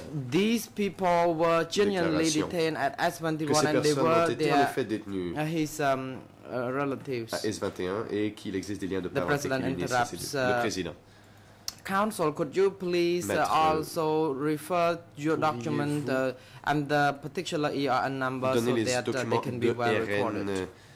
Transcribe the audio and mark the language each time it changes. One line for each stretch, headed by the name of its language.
English: these people were genuinely detained at S21 and they were his relatives
French: à S21 et qu'il existe des liens de parenté le président.
English: Counsel, could you please also refer your document and the particular ERN number so that they can be well recorded?